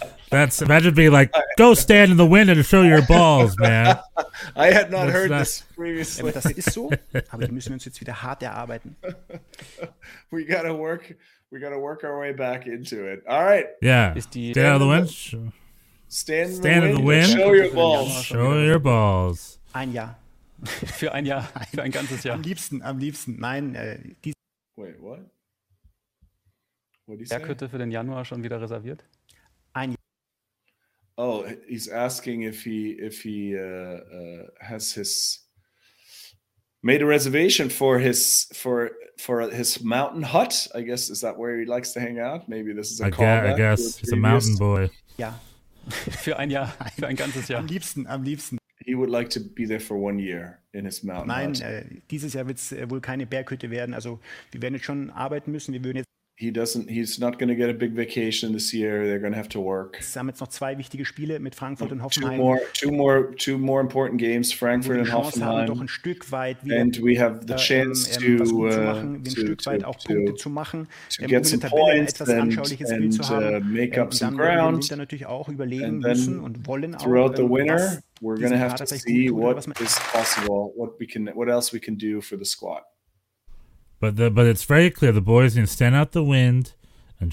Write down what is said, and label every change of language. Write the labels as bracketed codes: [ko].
[en] That's imagine being like, go stand in the wind and show your balls, man. I had not heard this previously. [de] Das ist so, aber die müssen wir uns jetzt wieder hart erarbeiten. [en] We got to work our way back into it. All right. Yeah. Stand in the wind. Stand in the wind. Show your balls. Show your balls. [de] Ein Jahr. Für ein Jahr, für ein ganzes Jahr. Am liebsten. Nein, [en] Wait, what? [de] Könnte für den Januar schon wieder reserviert? Ein Jahr. [en] Oh, he's asking if he has his made a reservation for his mountain hut. I guess is that where he likes to hang out? Maybe this is a call. I guess he's a mountain boy. [de] Ja. Für ein Jahr, für ein ganzes Jahr. Am liebsten. [en] He would like to be there for one year in his mountain. [de] Nein, dieses Jahr wird's wohl keine Berghütte werden. Also wir werden jetzt schon arbeiten müssen. Wir würden jetzt. [en] He's not going to get a big vacation this year. They're going to have to work. [de] Sie haben jetzt noch zwei wichtige Spiele mit Frankfurt und Hoffenheim. [en] Two more important games, Frankfurt und Hoffenheim. [de] Wir haben doch ein Stück weit wieder. [en] And we have the chance to get some points, make up some ground. [de] Wir müssen natürlich auch überlegen müssen und wollen auch. [en] Throughout the winter, we're going to have to see what is possible, what else we can do for the squad. But it's very clear the boys need to stand out the wind and